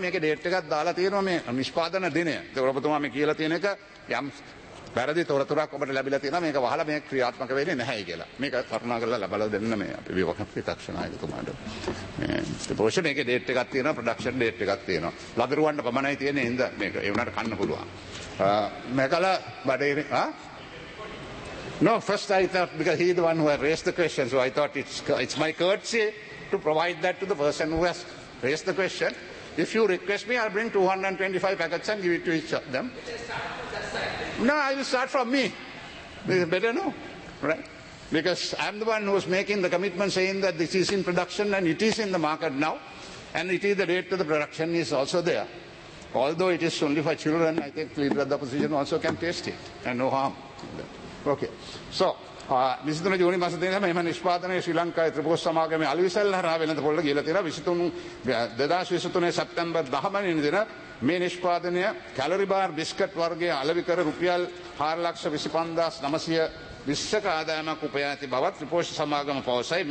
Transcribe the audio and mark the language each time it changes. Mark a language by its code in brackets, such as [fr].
[si] මේකේ ඩේට් එකක් දාලා තියෙනවා මේ නිෂ්පාදන දිනය. ඒක ඔබතුමා මේ කියලා තියෙන එක යම් වැරදි තොරතුරක් ඔබට ලැබිලා තියෙනවා. මේක වහලා මේක ක්‍රියාත්මක වෙන්නේ නැහැයි කියලා. මේක කරුණා කරලා ලබලා දෙන්න මේ අපි විපක්ෂ නායකතුමාට. ප්‍රොෂන් මේකේ ඩේට් එකක් තියෙනවා, ප්‍රොඩක්ෂන් ඩේට් එකක් තියෙනවා. ලදරුවන්ට පමණයි තියෙන්නේ ඉඳ මේක ඒ වුණාට කන්න පුළුවන්. මේකල බඩේ [en] No, first I thought, because he's the one who has raised the question, so I thought it's my courtesy to provide that to the person who has raised the question. If you request me, I'll bring 225 packets and give it to each of them. No, I will start from me. This is better, no? Right? Because I'm the one who is making the commitment saying that this is in production and it is in the market now. And it is the date to the production is also there. Although it is only for children, I think the leader of the opposition also can taste it and no harm. Okay. [si] So, විසිතුන ජූනි මාස දෙකම මෙම නිෂ්පාදනයේ ශ්‍රී ලංකාවේ ත්‍රිපෝෂ සමාගමේ අලිවිසල්හරා වෙළඳ පොළ ගිහිලා තියෙනවා. 2023 සැප්තැම්බර් 10 වෙනි දින මේ නිෂ්පාදනය කැලරි බාර් බිස්කට් වර්ගයේ අලෙවි කර රුපියල් 425,920ක ආදායමක් උපයා ඇති බව ත්‍රිපෝෂ සමාගම පවසයි.